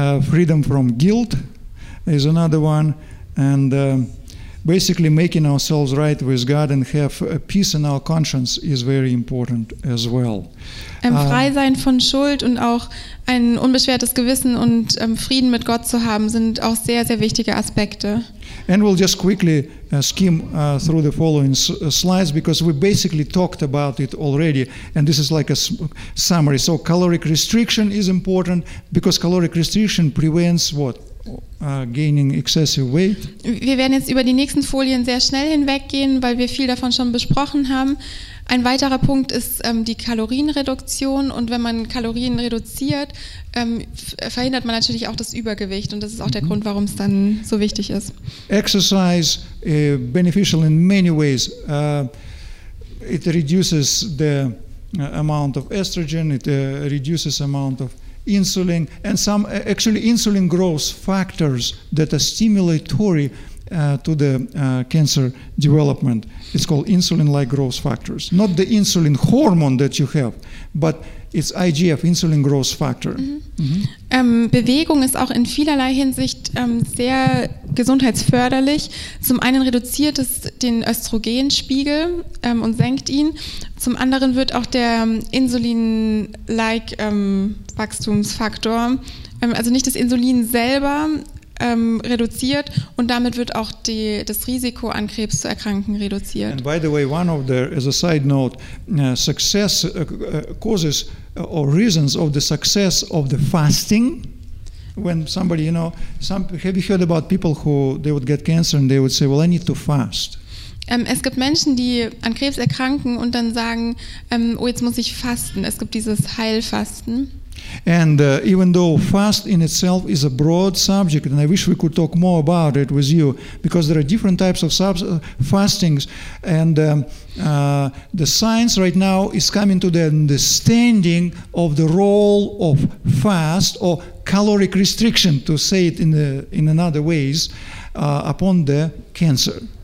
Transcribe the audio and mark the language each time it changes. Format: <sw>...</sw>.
<en>Freedom from guilt is another one, and basically making ourselves right with God and have a peace in our conscience is very important as well.</en> <de>Frei sein von Schuld und auch ein unbeschwertes Gewissen und Frieden mit Gott zu haben sind auch sehr, sehr wichtige Aspekte.</de> <en>And we'll just quickly skim through the following slides because we basically talked about it already, and this is like a summary. So caloric restriction is important because caloric restriction prevents what? Gaining excessive weight.</en> <de>Wir werden jetzt über die nächsten Folien sehr schnell hinweggehen, weil wir viel davon schon besprochen haben. Ein weiterer Punkt ist die Kalorienreduktion, und wenn man Kalorien reduziert, verhindert man natürlich auch das Übergewicht, und das ist auch der Grund, warum es dann so wichtig ist.</de> <en>Exercise beneficial in many ways. It reduces the amount of estrogen, it reduces amount of insulin, and some actually insulin growth factors that are stimulatory to the cancer development. It's called insulin-like growth factors. Not the insulin hormone that you have, but it's IGF, insulin growth factor.</en> <de>Bewegung ist auch in vielerlei Hinsicht sehr gesundheitsförderlich. Zum einen reduziert es den Östrogenspiegel und senkt ihn. Zum anderen wird auch der insulin-like Wachstumsfaktor, also nicht das Insulin selber, reduziert, und damit wird auch das Risiko an Krebs zu erkranken reduziert.</de> <en>And by the way, one of the, as a side note, success causes or reasons of the success of the fasting. When somebody, you know, have you heard about people who they would get cancer and they would say, well, I need to fast.</en> <de>Es gibt Menschen, die an Krebs erkranken und dann sagen, oh, jetzt muss ich fasten. Es gibt dieses Heilfasten.</de> <en>And even though fast in itself is a broad subject, and I wish we could talk more about it with you, because there are different types of fastings, and the science right now is coming to the understanding of the role of fast or caloric restriction, to say it in another ways, upon the cancer.</en>